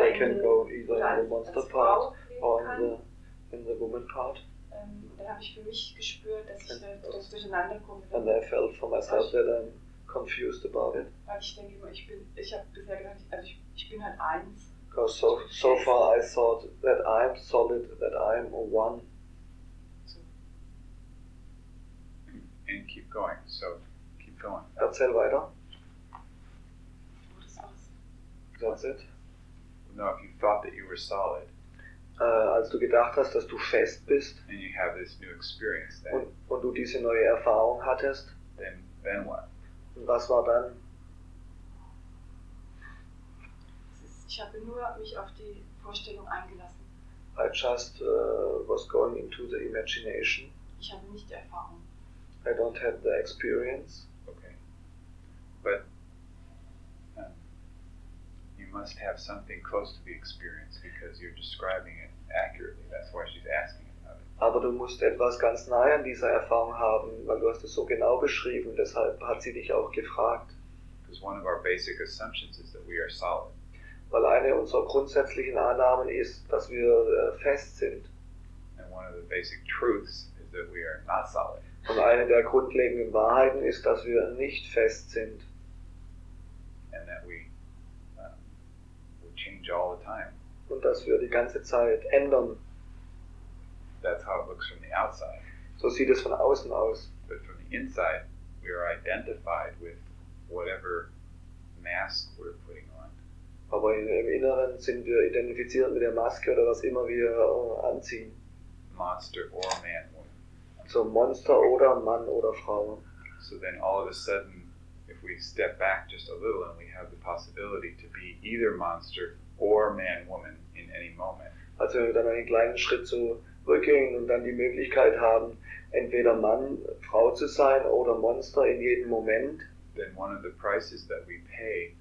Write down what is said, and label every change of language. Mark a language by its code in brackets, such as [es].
[en] I can go either in the monster part or in the woman part. [de] Dann habe ich für mich gespürt, dass ich das durcheinander komme. [en] And I felt for myself that I'm confused about it. [de] Weil ich denke immer, ich habe bisher gedacht, also ich bin halt eins. [en] Because so far I thought that I'm solid, that I'm one. So. And keep going. So keep going. [de] Erzähl weiter. Das war's. [en] That's it. No, if you thought that you were solid. [de] Als du gedacht hast, dass du fest bist [en] and you have this new experience, then, [de] und du diese neue Erfahrung hattest, [en] then what? [de] Und was war dann? Ich habe nur mich auf die Vorstellung eingelassen. [en] I just was going into the imagination. [de] Ich habe nicht die Erfahrung. [en] I don't have the experience. Okay. But you must have something close to the experience because you're describing it. Accurately, that's why she's asking about it. [de] Aber du musst etwas ganz nahe an dieser Erfahrung haben, weil du hast es so genau beschrieben, deshalb hat sie dich auch gefragt. [en] Because one of our basic assumptions is that we are solid. [de] Weil eine unserer grundsätzlichen Annahmen ist, dass wir fest sind. [en] And one of the basic truths is that we are not solid. [de] Und eine der grundlegenden Wahrheiten ist, dass wir nicht fest sind. [en] And that we change all the time. [de] Und dass wir die ganze Zeit ändern. [en] That's how it looks from the outside. [de] So sieht es von außen aus. [en] But from the inside, we are identified with whatever mask we're putting on. [de] Aber im Inneren sind wir identifiziert mit der Maske oder was immer wir anziehen. [en] Monster or man, woman. [de] So Monster oder Mann oder Frau. [en] So then all of a sudden, if we step back just a little and we have the possibility to be either monster or man, woman, in any moment. [de] Also wenn wir dann einen kleinen Schritt zurückgehen und dann die Möglichkeit haben, entweder Mann, Frau zu sein oder Monster in jedem Moment, [en] then one of the prices that we pay